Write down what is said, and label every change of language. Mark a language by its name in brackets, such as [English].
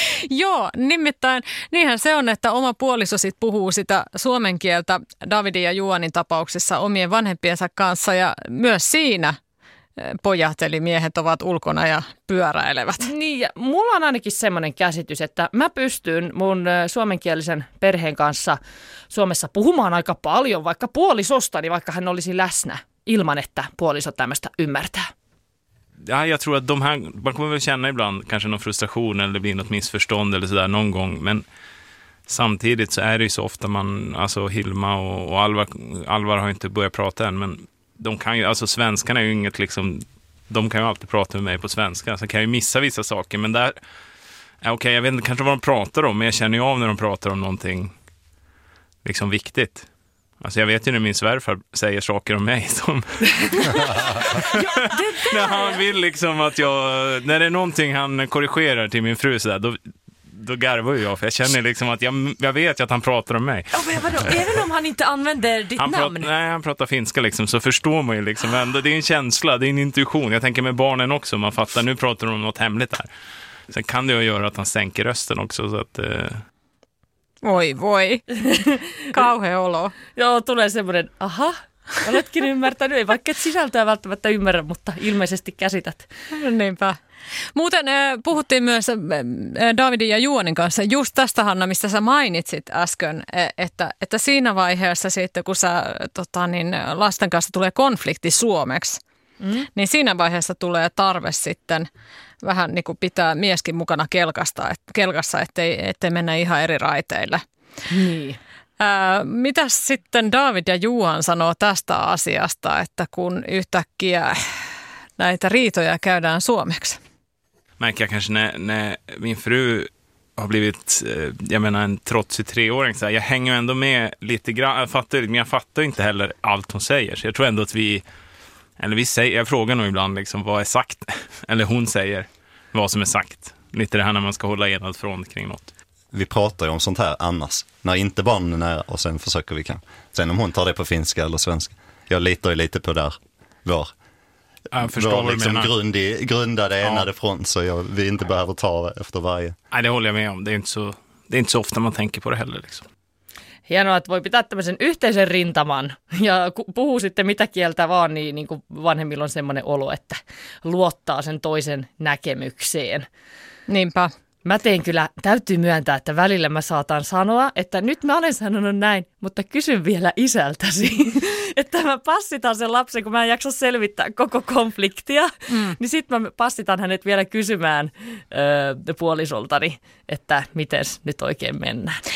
[Finnish] Joo, nimittäin niinhän se on, että oma puoliso sit puhuu sitä suomen kieltä Davidin ja Juanin tapauksessa omien vanhempiensa kanssa ja myös siinä pojat eli miehet ovat ulkona ja pyöräilevät. Niin, ja mulla on ainakin semmoinen käsitys, että mä pystyn mun suomenkielisen perheen kanssa Suomessa puhumaan aika paljon, vaikka puolisostani, vaikka hän olisi läsnä, ilman että puoliso tämmöistä ymmärtää. [Swedish] Ja jag tror att de här, man kommer väl känna ibland kanske någon frustration eller blir något missförstånd eller sådär någon gång, men samtidigt så är det ju så ofta man, alltså Hilma och Alvar har inte börjat prata än, men de kan ju, alltså svenskarna är ju inget liksom, de kan ju alltid prata med mig på svenska, så kan jag ju missa vissa saker, men där okej, jag vet inte kanske vad de pratar om, men jag känner ju av när de pratar om någonting liksom viktigt. Alltså jag vet ju när min svärfar säger saker om mig som ja, när han vill liksom att jag, när det är någonting han korrigerar till min fru sådär, då garvar jag, för jag känner liksom att jag vet att han pratar om mig. Ja, men vadå? Även om han inte använder ditt namn? Nej, han pratar finska liksom, så förstår man ju liksom ändå. Det är en känsla, det är en intuition. Jag tänker med barnen också, man fattar, nu pratar de om något hemligt här. Sen kan det ju göra att han sänker rösten också, så att [Finnish] Oj, voi. Kauhea olo. Joo, tulee semmoinen, aha, oletkin ymmärtänyt, ei vaikka et sisältöä välttämättä ymmärrä, mutta ilmeisesti käsität. Niinpä. Muuten puhuttiin myös Davidin ja Juonin kanssa just tästä, Hanna, mistä sä mainitsit äsken, että siinä vaiheessa sitten, kun sä lasten kanssa tulee konflikti suomeksi, niin siinä vaiheessa tulee tarve sitten vähän niin kuin pitää mieskin mukana kelkassa, ettei mennä ihan eri raiteille. Niin. Mitäs sitten David ja Juhan sanoo tästä asiasta, että kun yhtäkkiä näitä riitoja käydään suomeksi? [Swedish] Märker jag kanske när min fru har blivit, jag menar en trotsig treåring, så här, jag hänger ändå med lite grann, jag fattar inte heller allt hon säger. Så jag tror ändå att jag frågar nog ibland liksom, vad är sagt, eller hon säger vad som är sagt. Lite det här när man ska hålla enad front kring något. Vi pratar ju om sånt här annars, när inte barnen är nära, och sen försöker vi kan. Sen om hon tar det på finska eller svenska, jag litar ju lite på där vår. Jag förstår vad liksom grundade enade front, så vi inte behöver ta efter varje. Nej, det håller jag med om. Det är inte så ofta man tänker på det heller. Liksom. [Finnish] Hienoa, että voi pitää tämmöisen yhteisen rintaman ja puhuu sitten mitä kieltä vaan, niin kuin vanhemmilla on semmoinen olo, että luottaa sen toisen näkemykseen. Niinpä. Mä teen kyllä, täytyy myöntää, että välillä mä saatan sanoa, että nyt mä olen sanonut näin, mutta kysyn vielä isältäsi, että mä passitan sen lapsen, kun mä en jaksa selvittää koko konfliktia, niin sit mä passitan hänet vielä kysymään puolisoltani, että miten nyt oikein mennään.